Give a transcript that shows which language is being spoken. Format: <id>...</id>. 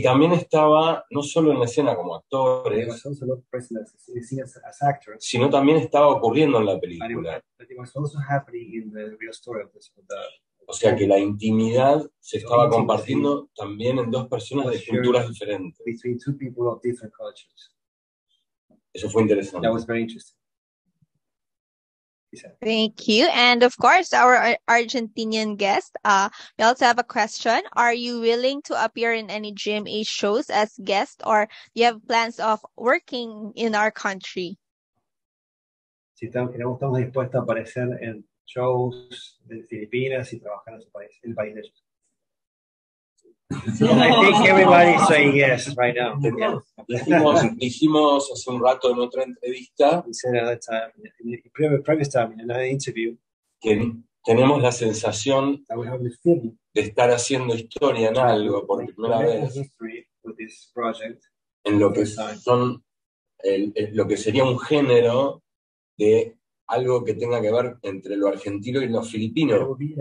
<es>Y también estaba, no solo en la escena como actores,</es> <en>I was also not present in the scene as actors,</en> <es>sino también estaba ocurriendo en la película.</es> <en>But it was also happening in the real story of this,</en> <es>o sea, que la intimidad se estaba compartiendo también en dos personas de culturas diferentes.</es> <en>Between two people of different cultures.</en> <es>Eso fue interesante.</es> <en>That was very interesting. Thank you. And of course, our Argentinian guest, we also have a question. Are you willing to appear in any GMA shows as guest, or do you have plans of working in our country?</en> <es>Si estamos dispuestos a aparecer en shows de Filipinas y trabajar en el país de ellos.</es> <en>I think everybody's saying yes right now.</en> <es>Dijimos hace un rato en otra entrevista.</es> <en>We said at that time, in the previous time, in another interview,</en> <es>que tenemos la sensación de estar haciendo historia en algo por primera vez.</es> <en>With this project,</en> <es>en lo que son lo que sería un género de algo que tenga que ver entre lo argentino y lo filipino.</es>